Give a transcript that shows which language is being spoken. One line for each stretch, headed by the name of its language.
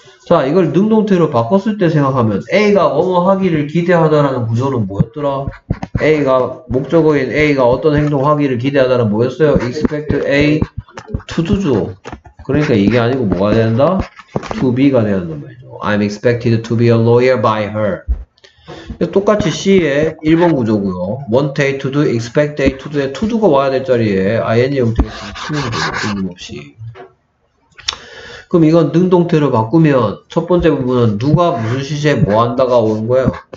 Korean: 자, 이걸 능동태로 바꿨을 때 생각하면 A가 뭐뭐 하기를 기대하다라는 구조는 뭐였더라? A가 목적어인 A가 어떤 행동 하기를 기대하다는 뭐였어요?
English: expect A to do죠.
Korean: 그러니까 이게 아니고 뭐가 된다? to be가 되는 거예요.
English: I'm expected to be a lawyer by her.
Korean: 똑같이 C의 1번 구조고요. Want A to do, expect A to do의 to do가 와야 될 자리에 ing 형태로 쓰는 거예요. 끊임없이. 그럼 이건 능동태로 바꾸면 첫 번째 부분은 누가 무슨 시제에 뭐 한다가 온 거예요.